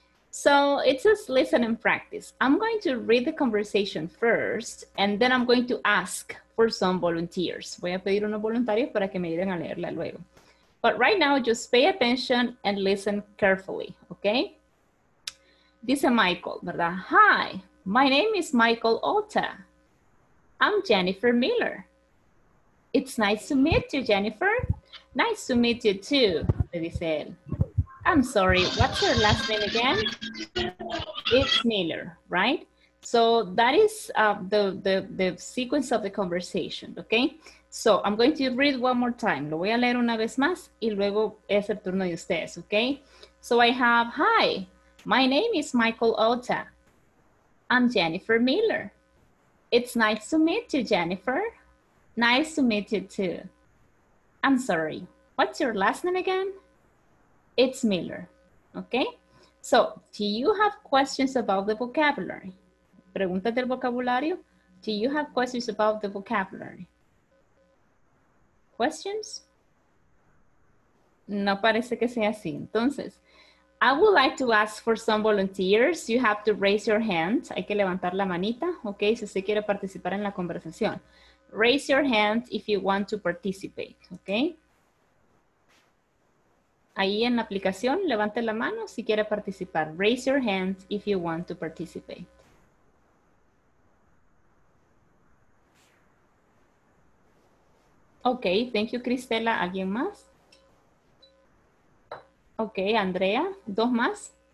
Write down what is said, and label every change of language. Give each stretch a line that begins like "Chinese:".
English: So it's just listen and practice. I'm going to read the conversation first, and then I'm going to ask for some volunteers.
Spanish: Voy a pedir unos voluntarios para que me ayuden a leerla luego.
English: But right now, just pay attention and listen carefully, okay?
Spanish: Dice Michael, ¿verdad?
English: Hi, my name is Michael Alta. I'm Jennifer Miller. It's nice to meet you, Jennifer. Nice to meet you too,
Spanish: le dice él.
English: I'm sorry, what's your last name again? It's Miller, right? So that is the sequence of the conversation, okay? So I'm going to read one more time.
Spanish: Lo voy a leer una vez más y luego es el turno de ustedes, okay?
English: So I have, hi. My name is Michael Alta. I'm Jennifer Miller. It's nice to meet you, Jennifer. Nice to meet you too. I'm sorry, what's your last name again? It's Miller, okay? So, do you have questions about the vocabulary?
Spanish: Preguntas del vocabulario.
English: Do you have questions about the vocabulary? Questions?
Spanish: No parece que sea así, entonces.
English: I would like to ask for some volunteers. You have to raise your hand.
Spanish: Hay que levantar la manita, okay? Si usted quiere participar en la conversación.
English: Raise your hand if you want to participate, okay?
Spanish: Ahí en la aplicación, levante la mano si quiere participar.
English: Raise your hand if you want to participate. Okay, thank you, Cristela.
Spanish: ¿Alguien más? Ok, Andrea, dos más.